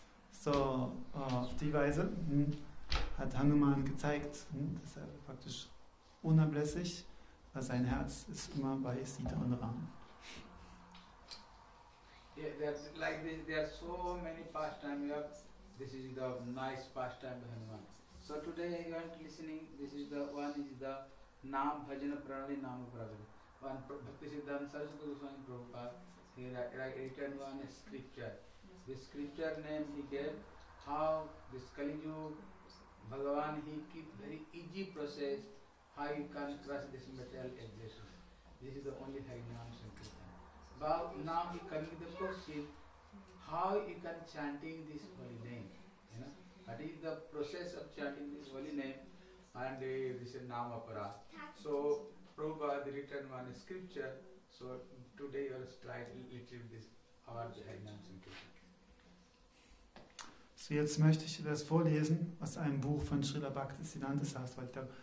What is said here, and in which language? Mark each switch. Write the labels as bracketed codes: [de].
[de] So, auf die Weise hat Hanuman gezeigt, dass er praktisch unablässig, weil sein Herz ist immer bei Sita und Ram. [en] Yeah, there's like this, there are so many pastimes you have. This is the nice pastime of Hanuman. So today you are listening, this is the one is the Naam Bhajana Pranali Naam Pranali. One Bhakti Siddhanta Saraswati Goswami Prabhupada, he written one scripture. The scripture name he gave, how this Kali Yuga Bhagavan, he keep very easy process, how you can cross this material existence. This is the only Harinam Sankirtan. But now he coming to the question, how you can chanting this holy name, you know? What is the process of chanting this holy name? And this is Namapara. So Prabhupada written one scripture, so today you are trying to retrieve this, our Harinam Sankirtan. [de] So jetzt möchte ich das vorlesen aus einem Buch von Srila Bhaktisiddhanta Saraswati.